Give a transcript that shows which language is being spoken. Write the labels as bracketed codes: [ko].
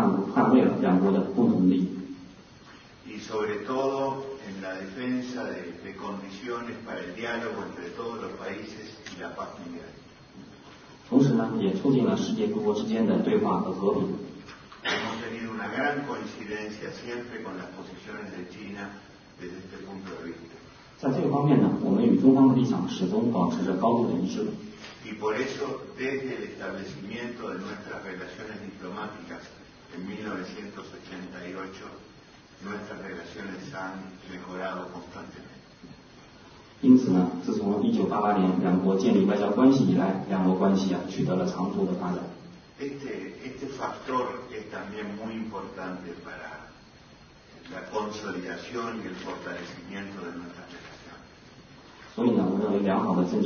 [zh] 那么中国两国呢，根据联合国的基本原则，共同捍卫了两国的共同利益。 [es] Y sobre todo en la defensa de condiciones para el diálogo entre todos los países y la paz mundial. [zh] 同时呢，也促进了世界各国之间的对话和和平。 [es] Hemos tenido una gran coincidencia siempre con las posiciones de China desde este punto de vista. [zh] 在这个方面呢，我们与中方的立场始终保持着高度的一致。 [es] Y por eso, desde el establecimiento de nuestras relaciones diplomáticas en 1988, nuestras relaciones han mejorado constantemente. [zh] 因此呢，自从1988年两国建立外交关系以来，两国关系啊取得了长足的发展。 [es] Este factor es también muy importante para la consolidación y el fortalecimiento de nuestra relación.